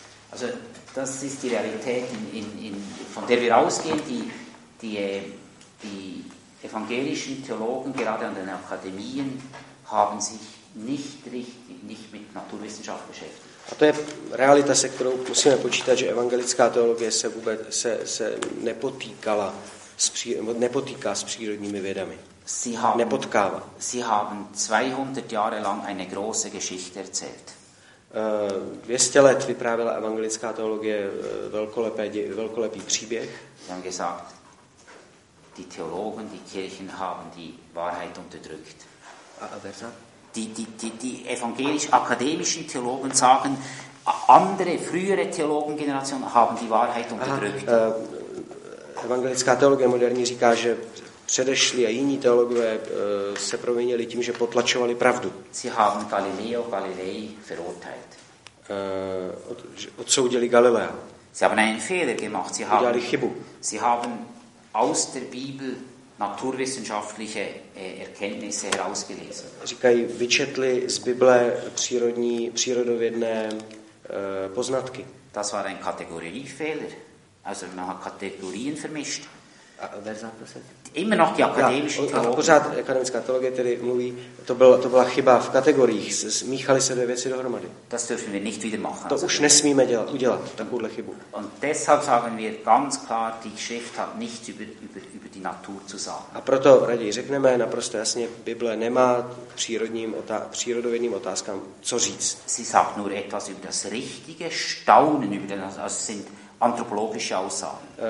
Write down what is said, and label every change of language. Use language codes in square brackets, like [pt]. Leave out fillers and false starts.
[de] Also das ist die Realität in von der wir ausgehen, die evangelischen Theologen gerade an den Akademien haben sich nicht mit Naturwissenschaft beschäftigt. [cs] A to je realita, se kterou musíme počítat, že evangelická teologie se vůbec se nepotýkala nepotýká s přírodními vědami. [de] Sie haben 200 Jahre lang eine große Geschichte erzählt. [cs] 200 let vyprávěla evangelická teologie velkolepý příběh. [de] Sie haben gesagt, die Theologen, die Kirchen haben die Wahrheit unterdrückt. Die evangelisch akademischen Theologen sagen, andere frühere Theologengenerationen haben die Wahrheit unterdrückt. [cs] Evangelická teologie moderní říká, že předešli a jiní teologové se proměnili tím, že potlačovali pravdu. [de] Sie haben Galileo Galilei verurteilt. [cs] Odsoudili Galilea. [de] Sie haben einen Fehler gemacht. Sie haben [cs] udělali chybu. [de] Sie haben aus der Bibel naturwissenschaftliche Erkenntnisse herausgelesen. [cs] Říkají, vyčetli z Bible přírodovědné poznatky. [de] Das war ein Kategoriefehler. Also man hat Kategorien vermischt. Immer noch die akademische Theologie. [cs] Pořád akademická teologie tedy mluví, to byla chyba v kategoriích, smíchali se dvě věci dohromady. [de] Das dürfen wir nicht wieder machen. [cs] To už nesmíme udělat takovouhle chybu. [de] Und deshalb sagen wir ganz klar, die Schrift hat nichts über die Natur zu sagen. [cs] A proto raději řekneme naprosto jasně, Bible nemá přírodovědným otázkám co říct. [de] Sie sagt nur etwas über das richtige Staunen über den, also sind anthropologische Aussagen.